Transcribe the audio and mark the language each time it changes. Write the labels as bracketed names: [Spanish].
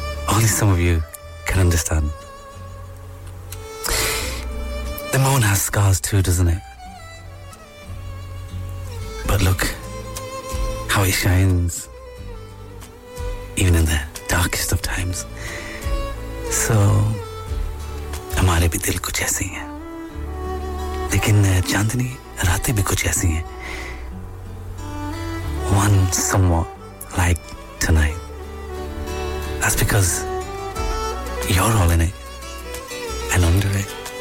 [English] Only some of you can understand. The moon has scars too, doesn't it? But look how it shines. Even in the darkest of times. [Hindi] So, हमारे भी दिल कुछ ऐसे हैं, लेकिन चांदनी रातें भी कुछ ऐसी हैं. [English] One somewhat like tonight. That's because you're all in it and under it.